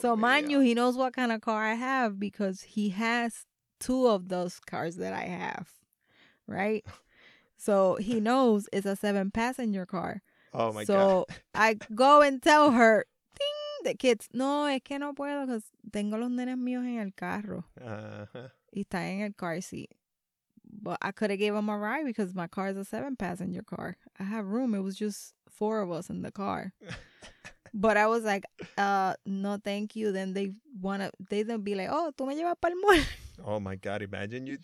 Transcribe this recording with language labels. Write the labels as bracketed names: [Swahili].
[English] So, mind you, he knows what kind of car I have because he has two of those cars that I have, right? So, he knows it's a 7-passenger car. Oh, my God. [Spanish] So, I go and tell her, ding, the kids, no, es que no puedo because tengo los nenes míos en el carro. Uh-huh. Y está en el car seat. [English] But I could have gave him a ride because my car is a 7-passenger car. I have room. It was just four of us in the car. But I was like, no, thank you. [Spanish] Then they'd be like, oh, tú me llevas para el mall. [English] Oh, my God. Imagine you.